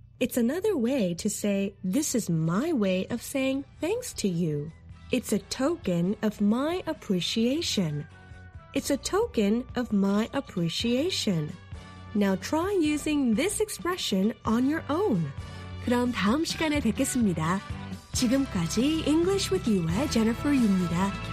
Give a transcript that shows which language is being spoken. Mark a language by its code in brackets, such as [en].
[en] It's another way to say, this is my way of saying thanks to you. It's a token of my appreciation. It's a token of my appreciation. Now try using this expression on your own. [ko] 그럼 다음 시간에 뵙겠습니다. 지금까지 English with You의 Jennifer 유입니다.